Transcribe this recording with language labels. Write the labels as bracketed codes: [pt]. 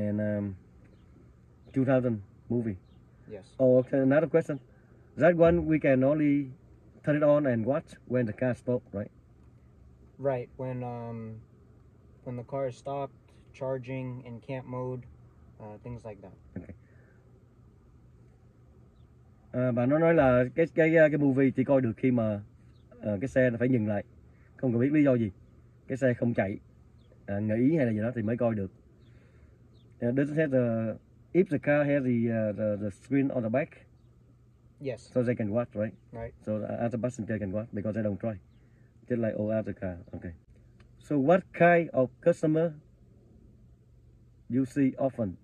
[en] And 2,000 movie. Yes. Oh, okay, another question. That one we can only turn it on and watch when the car stopped, right? Right, when the car is stopped, charging, in camp mode, things like that. Okay. [vi] Bà nó nói là cái movie chỉ coi được khi mà cái xe nó phải dừng lại, không cần biết lý do gì, cái xe không chạy, nghỉ hay là gì đó thì mới coi được. [en] Does it have the, if the car has the screen on the back, yes, so they can watch, right? Right. So other passenger can watch because they don't try, just like all other car. Okay. So what kind of customer you see often?